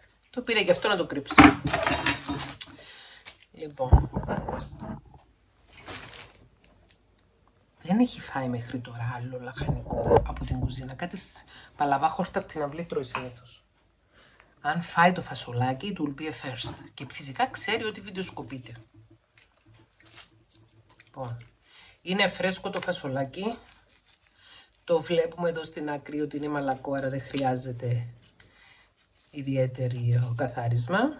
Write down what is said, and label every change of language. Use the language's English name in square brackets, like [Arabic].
[Greek] Το πήρε και αυτό να το κρύψει. Λοιπόν. Δεν έχει φάει μέχρι τώρα άλλο λαχανικό από την κουζίνα. Κάτι παλαβά χόρτα από την αυλή τρώει συνήθως. Αν φάει το φασολάκι, [English] it will be a first. [Greek] Και φυσικά ξέρει ότι βιντεοσκοπείται. Λοιπόν, είναι φρέσκο το φασολάκι. Το βλέπουμε εδώ στην άκρη ότι είναι μαλακό, άρα δεν χρειάζεται ιδιαίτερη καθάρισμα.